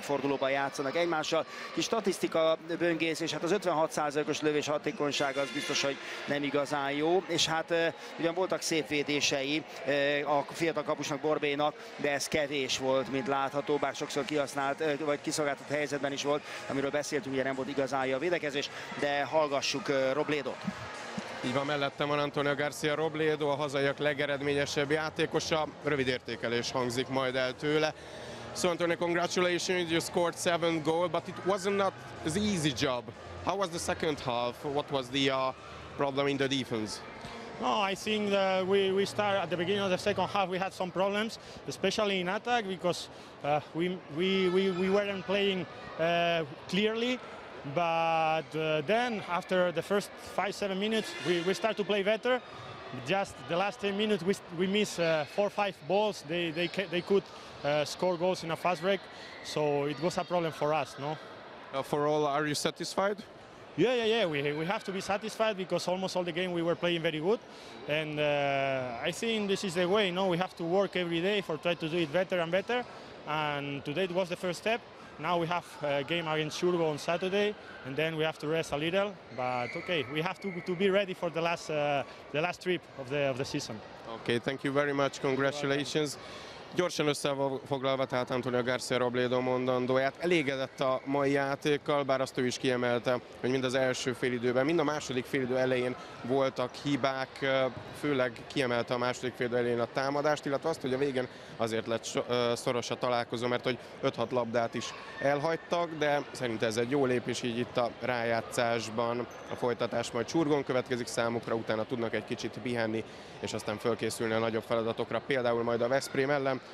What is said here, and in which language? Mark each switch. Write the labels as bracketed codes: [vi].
[hu] fordulóban játszanak egymással. Kis statisztika böngészés, hát az 56%-os lövés hatékonyság az biztos, hogy nem igazán jó, és hát ugyan voltak szép védései a fiatal kapusnak, Borbénak, de ez kevés volt, mint látható, bár sokszor kihasznált, vagy kiszolgáltatott helyzetben is volt, amiről beszéltünk, ugye nem volt igazán jó a védekezés, de hallgassuk Robledot. Így van, mellettem van Antonio García Robledo, a hazaiak legeredményesebb játékosa. Rövid értékelés hangzik majd el tőle. [en] So Antonio, congratulations, you scored 7 goals, but it wasn't an easy job. How was the second half? What was the problem in the defense? No, I think that we start at the beginning of the second half, we had some problems, especially in attack, because we weren't playing clearly. But then after the first 5-7 minutes we start to play better. Just the last 10 minutes we miss 4-5 balls. They could score goals in a fast break. So it was a problem for us, no? For all, are you satisfied? Yeah. We have to be satisfied because almost all the game we were playing very good. And I think this is the way, no? We have to work every day for try to do it better and better. And today it was the first step. Now we have a game against Zurgo on Saturday, and then we have to rest a little. But okay, we have to be ready for the last trip of the season. Okay, thank you very much. Congratulations. [hu] Gyorsan összefoglalva, tehát Antonio García Robledo mondandóját, elégedett a mai játékkal, bár azt ő is kiemelte, hogy mind az első félidőben, mind a második félidő elején voltak hibák, főleg kiemelte a második félidő elején a támadást, illetve azt, hogy a végén azért lett szoros a találkozó, mert hogy 5-6 labdát is elhagytak, de szerint ez egy jó lépés, így itt a rájátszásban a folytatás majd Zurgón következik számukra, utána tudnak egy kicsit pihenni, és aztán fölkészülni a nagyobb feladatokra, például majd a Veszprém ellen.